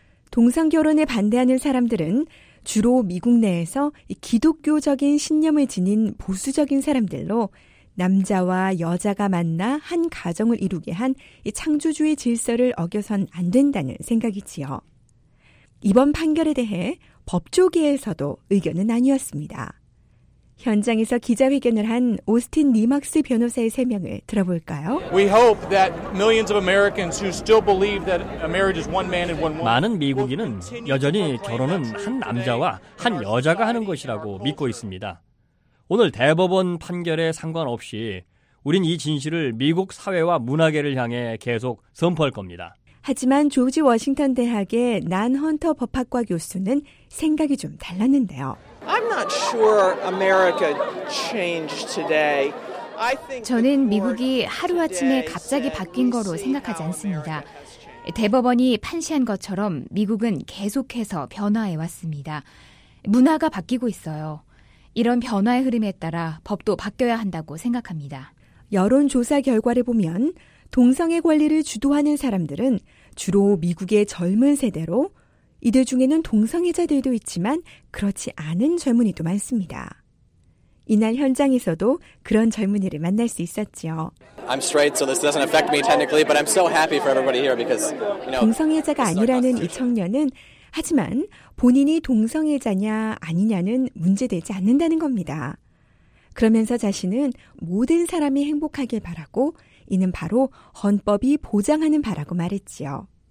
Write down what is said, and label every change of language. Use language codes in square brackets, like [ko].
[ko] 동성결혼에 반대하는 사람들은 주로 미국 내에서 기독교적인 신념을 지닌 보수적인 사람들로 남자와 여자가 만나 한 가정을 이루게 한 창조주의 질서를 어겨선 안 된다는 생각이지요. 이번 판결에 대해 법조계에서도 의견은 아니었습니다. 현장에서 기자회견을 한 오스틴 니막스 변호사의 설명을 들어볼까요? [en] We hope that millions of Americans who still believe that a marriage is one man and one woman. [ko] 많은 미국인은 여전히 결혼은 한 남자와 한 여자가 하는 것이라고 믿고 있습니다. 오늘 대법원 판결에 상관없이 우린 이 진실을 미국 사회와 문화계를 향해 계속 선포할 겁니다. 하지만 조지 워싱턴 대학의 난 헌터 법학과 교수는 생각이 좀 달랐는데요. [en] I'm not sure America changed today. I think [ko] 저는 미국이 하루아침에 갑자기 바뀐 거로 생각하지 않습니다. 대법원이 판시한 것처럼 미국은 계속해서 변화해 왔습니다. 문화가 바뀌고 있어요. 이런 변화의 흐름에 따라 법도 바뀌어야 한다고 생각합니다. 여론조사 결과를 보면 동성애 권리를 주도하는 사람들은 주로 미국의 젊은 세대로 이들 중에는 동성애자들도 있지만 그렇지 않은 젊은이도 많습니다. 이날 현장에서도 그런 젊은이를 만날 수 있었지요. [en] I'm straight, so this doesn't affect me technically, but I'm so happy for everybody here because, you know, [ko] 동성애자가 아니라는 이 청년은 하지만 본인이 동성애자냐 아니냐는 문제되지 않는다는 겁니다. 그러면서 자신은 모든 사람이 행복하길 바라고 이는 바로 헌법이 보장하는 바라고 말했지요.